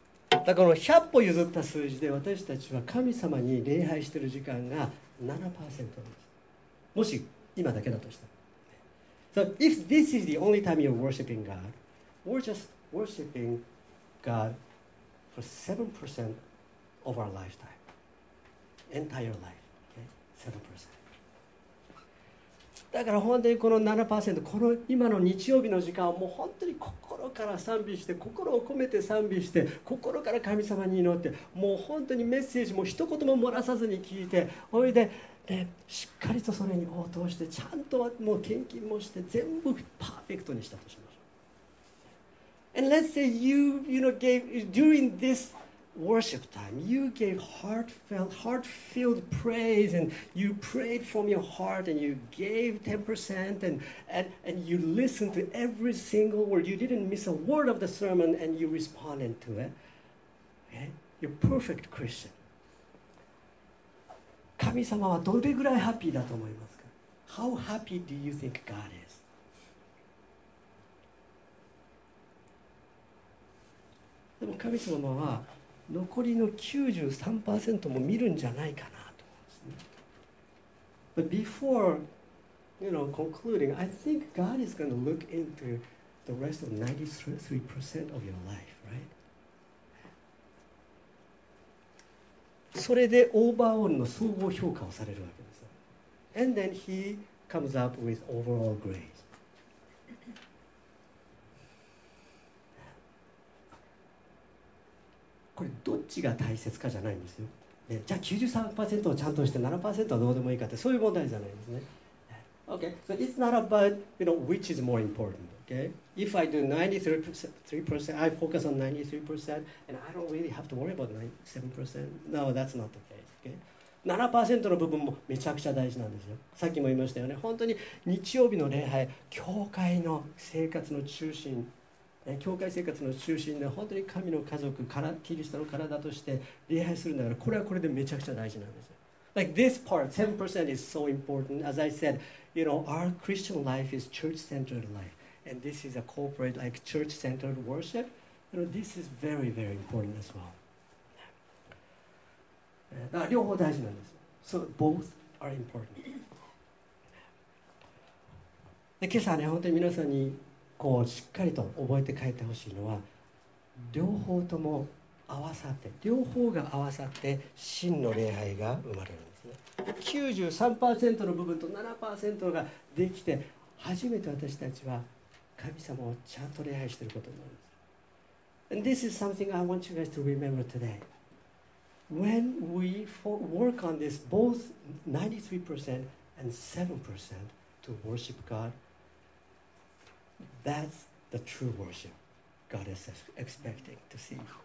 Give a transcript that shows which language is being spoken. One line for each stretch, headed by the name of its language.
Japanese: だからこの100歩譲った数字で私たちは神様に礼拝している時間が 7% なんです。もし今だけだとしたら、
English: So if this is the only time you're worshiping God, we're just worshiping God for 7% of our lifetime, entire life, okay?
Japanese: 7%。だから本当にこの 7%、 この今の日曜日の時間をもう本当に心から賛美して、心を込めて賛美して、心から神様に祈って、もう本当にメッセージも一言も漏らさずに聞いて、おいで、ね、しっかりとそれに応答して、ちゃんともう献金もして、全部パーフェクトにしたとしましょう。
English: And let's say you gave during thisWorship time, you gave heartfelt praise and you prayed from your heart and you gave 10% and you listened to every single word. You didn't miss a word of the sermon and you responded to it. Okay? You're a perfect Christian.
Japanese: 神様はどれぐらいハッピーだと思いますか?
English: How happy do you think God is?
Japanese: でも神様は残りの 93% も見るんじゃないかなと思うんですね。
English: But before, you know, concluding, I think God is going to look into the rest of 93% of your life, right?
Japanese: それでオーバーオールの総合評価をされるわけです。
English: And then he comes up with overall grade.
Japanese: これどっちが大切かじゃないんですよ、ね、じゃあ 93% をちゃんとして 7% はどうでもいいかって、そういう問題じゃないんですね。
English: Okay, so it's not about, you know, which is more important, okay? If I do 93%, I focus on 93%, and I don't really have to worry about 97%. No, that's not the case, okay?
Japanese: 7% の部分もめちゃくちゃ大事なんですよ。さっきも言いましたよね。本当に日曜日の礼拝、教会の生活の中心、教会生活の中心で本当に神の家族、キリストの体として礼拝するんだから、これはこれでめちゃくちゃ大事なんですよ。
English: Like this part, 7% is so important. As I said, you know, our Christian life is church-centered life. And this is a corporate, like church-centered worship. You know, this is very, very important as well.
Japanese: だから両方大事なんです。
English: So both are important.
Japanese: で今朝ね、本当に皆さんにこうしっかりと覚えて帰ってほしいのは、両方とも合わさって、両方が合わさって真の礼拝が生まれるんですね。 93% の部分と 7% ができて、初めて私たちは神様をちゃんと礼拝していることになるんです。
English: And this is something I want you guys to remember today. When we work on this, both 93% and 7% to worship God, that's the true worship God is expecting to see.